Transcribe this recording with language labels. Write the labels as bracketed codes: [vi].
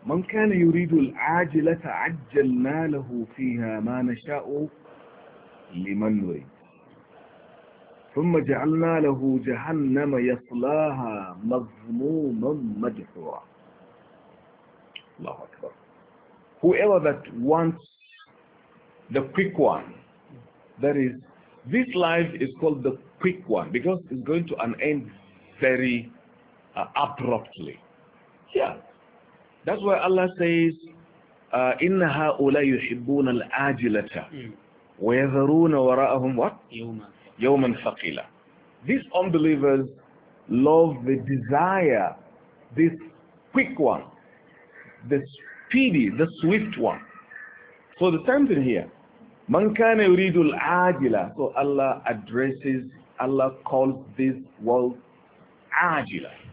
[ar] من كان يريد العاجلة عجلنا له فيها ما نشاء لمن نريد. ثم جعلنا له جهنم يصلاها مذموما مدحورا. الله اكبر. [en] Whoever that wants the quick one, that is, this life is called the quick one because it's going to an end very abruptly. Yeah. That's why Allah says, [ar] إِنَّ هَؤُلَاءِ يُحِبُّونَ الْآجِلَةَ وَيَذَرُونَ وَرَاءَهُمْ [en] what? [ar] يَوْمًا ثَقِيلًا. [en] These unbelievers love, they desire this quick one, the speedy, the swift one. So the same thing here. [ar] مَنْ كَانَ يُرِيدُ الْآجِلَةِ. [en] So Allah addresses, Allah calls this world ajila.